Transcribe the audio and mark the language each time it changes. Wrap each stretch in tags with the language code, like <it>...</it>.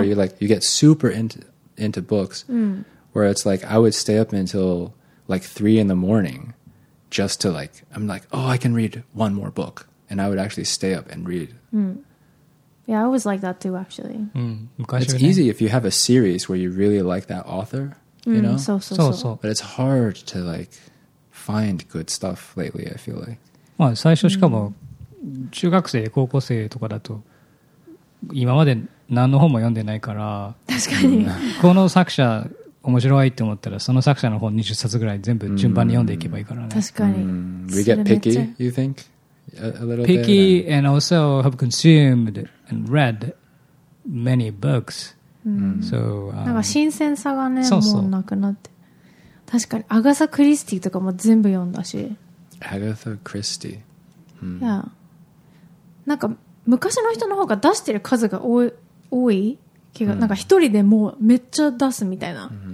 <en>Where you get super into books, where it's like I would stay up until like 3 in the morning just to like, I'm like, oh, I can read one more book. And I would actually stay up and read. Yeah, I was like that too, actually. It's easy if you have a series where you really like that author, you know? So. But it's hard to, like, find good stuff lately, I feel like.</en> <ja>まあ、最初しかも、中学生、高校生とかだと、今まで何の本も読んでないから、確かに。この作者、面白いって思ったら、その作者の本20冊ぐらい全部順番に読んでいけばいいからね。確かに。</ja> <en>We get picky, you think? A little picky bit, and also have consumed and read many books. So,</en> <ja>新鮮さがね、もうなくなって。確かに、アガサ・クリスティとかも全部読んだし。アガサ・クリスティ。なんか、昔の人の方が出してる数が多い気が、なんか一人でもうめっちゃ出すみたいな。</ja>